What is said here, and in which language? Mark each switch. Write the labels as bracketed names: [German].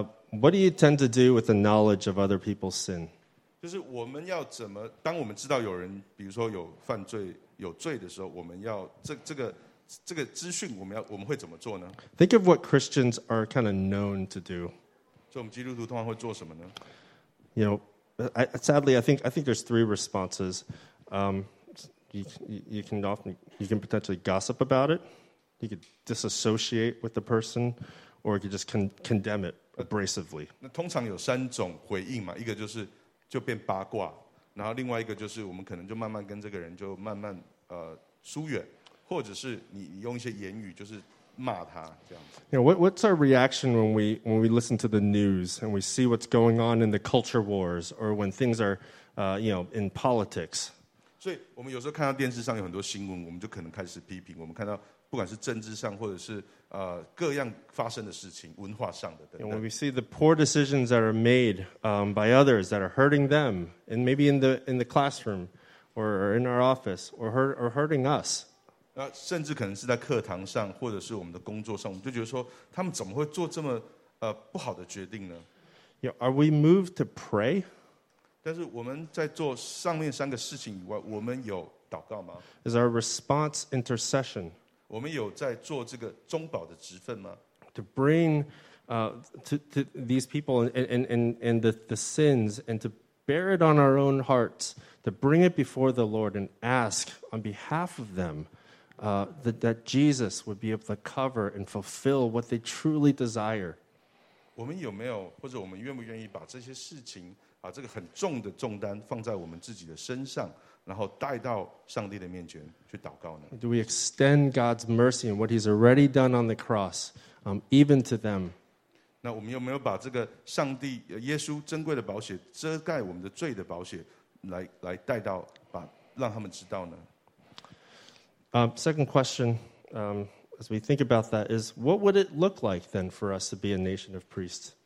[English] What do you tend to do with the knowledge of other people's sin? [Chinese] 就是我们要怎么，当我们知道有人，比如说有犯罪，有罪的时候，我们要这个资讯，我们会怎么做呢？ [English] Think of what Christians are kind of known to do. [Chinese] 所以我们基督徒通常会做什么呢？ [English] You know, I think there's 3 responses. You can potentially gossip about it. You could disassociate with the person, or you could just condemn it. Abrasively. [Chinese] 那通常有三种回应嘛，一个就是就变八卦，然后另外一个就是我们可能就慢慢跟这个人就慢慢疏远，或者是你用一些言语就是骂他这样子。 [English] You know, what's our reaction when we listen to the news and we see what's going on in the culture wars or when things are in politics? [Chinese] 所以我们有时候看到电视上有很多新闻，我们就可能开始批评，我们看到不管是政治上或者是各样发生的事情，文化上的等等。 [English] And when we see the poor decisions that are made by others that are hurting them, and maybe in the classroom or in our office or hurting us. [Chinese] 那甚至可能是在课堂上或者是我们的工作上，我们就觉得说，他们怎么会做这么不好的决定呢？ [English] You know, are we moved to pray? [Chinese] 但是我们在做上面三个事情以外，我们有祷告吗？ [English] Is our response intercession? [Chinese] 我们有在做这个中保的职分吗？ [English] To bring to these people and the sins and to bear it on our own hearts, to bring it before the Lord and ask on behalf of them that Jesus would be able to cover and fulfill what they truly desire. [Chinese] 我们有没有或者我们愿不愿意把这些事情把这个很重的重担放在我们自己的身上然后带到上帝的面前去祷告呢？ [English] Do we extend God's mercy and what he's already done on the cross even to them? [Chinese] 那我们有没有把这个上帝耶稣珍贵的宝血遮盖我们的罪的宝血 来带到把让他们知道呢？ [English] Second question as we think about that is what would it look like then for us to be a nation of priests?